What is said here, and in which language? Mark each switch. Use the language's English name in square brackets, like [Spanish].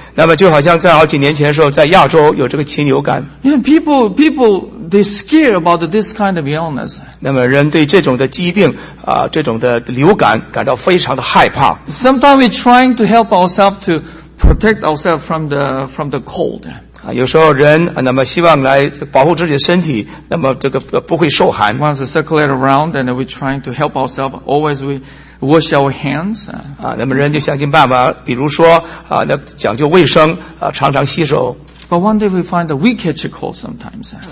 [Chinese] 那么就好像在好几年前的时候，在亚洲有这个禽流感。 [English] Yeah, people they scare about this kind of illness. [Chinese] 那么人对这种的疾病这种的流感感到非常的害怕。 [English] Sometimes we're trying to help ourselves to protect ourselves from the cold. [Chinese] 有时候人那么希望来保护自己的身体，那么这个不会受寒。 [English] Once we circulate around, and we're trying to help ourselves. Always we. Wash our hands. [Chinese] 那么人就想尽办法，比如说那讲究卫生常常洗手。 [English] But one day we find that we catch a cold sometimes.